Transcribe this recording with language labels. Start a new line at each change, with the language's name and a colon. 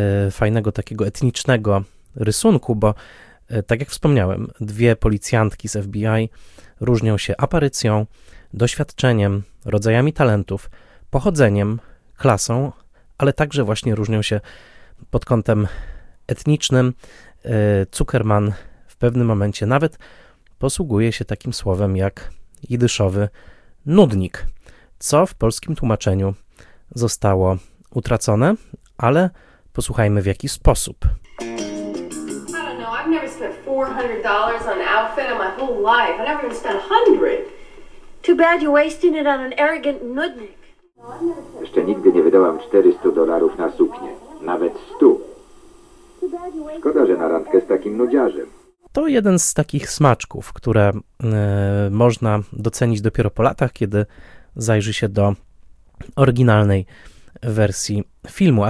Polish: fajnego takiego etnicznego rysunku, bo tak jak wspomniałem, dwie policjantki z FBI różnią się aparycją, doświadczeniem, rodzajami talentów, pochodzeniem, klasą, ale także właśnie różnią się pod kątem etnicznym. Zuckerman w pewnym momencie nawet posługuje się takim słowem jak jidyszowy nudnik, co w polskim tłumaczeniu zostało utracone, ale posłuchajmy w jaki sposób.
English: I've never spent $400 on an outfit in my whole life. I never even spent $100. Too bad you're wasting it on an arrogant nudnik.
Polish: Jeszcze nigdy nie wydałam $400 na suknię. Nawet 100. Szkoda, że na randkę z takim nudziarzem. To jeden z takich smaczków, które można docenić dopiero po latach, kiedy zajrzy się do oryginalnej wersji filmu.